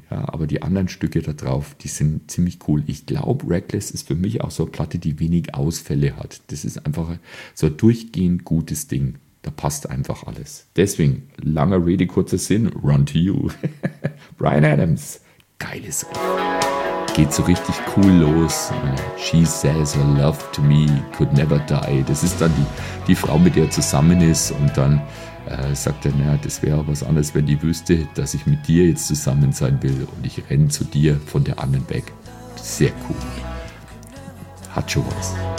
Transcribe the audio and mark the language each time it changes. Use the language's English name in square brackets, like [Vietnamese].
[German] Ja, aber die anderen Stücke da drauf, die sind ziemlich cool. Ich glaube, Reckless ist für mich auch so eine Platte, die wenig Ausfälle hat. Das ist einfach so ein durchgehend gutes Ding. Da passt einfach alles. Deswegen, langer Rede, kurzer Sinn, Run to You. Bryan Adams, geiles Riff. Geht so richtig cool los. [English] She says her love to me could never die. [German] Das ist dann die Frau, mit der er zusammen ist. Und dann sagt er, naja, das wäre auch was anderes, wenn die wüsste, dass ich mit dir jetzt zusammen sein will. Und ich renne zu dir von der anderen weg. Sehr cool. Hat schon was.